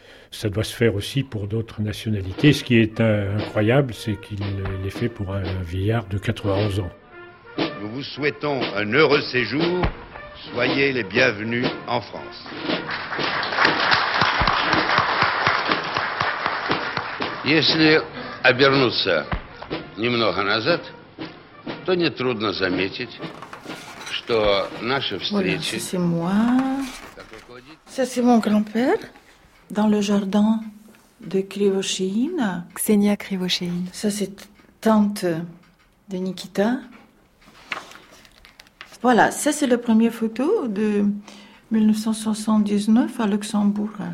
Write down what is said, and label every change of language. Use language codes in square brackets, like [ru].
[fr] Ça doit se faire aussi pour d'autres nationalités. Ce qui est incroyable, c'est qu'il l'ait fait pour un vieillard de 91 ans. Nous vous souhaitons un heureux séjour. Soyez les bienvenus en France. [ru] Если обернуться немного назад, то нетрудно заметить, что наша встреча... [fr] Voilà, c'est moi. Ça, c'est mon grand-père, dans le jardin de Krivoshine. Ksenia Krivoshine. Ça, c'est tante de Nikita. Voilà, ça, c'est la première photo de 1979 à Luxembourg.